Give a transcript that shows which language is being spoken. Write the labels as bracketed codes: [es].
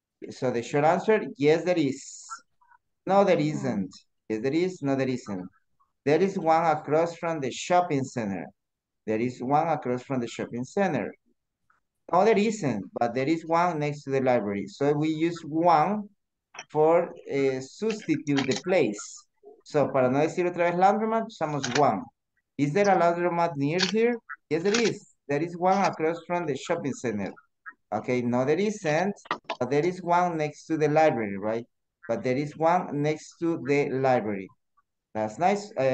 [en] So the short answer, yes, there is. No, there isn't. Yes, there is. No, there isn't. There is one across from the shopping center. There is one across from the shopping center. No, there isn't, but there is one next to the library. So we use one for substitute the place. [es] So para no decir otra vez laundromat, usamos one. [en] Is there a laundromat near here? Yes, there is. There is one across from the shopping center. Okay, no, there isn't, but there is one next to the library, right? But there is one next to the library. That's nice.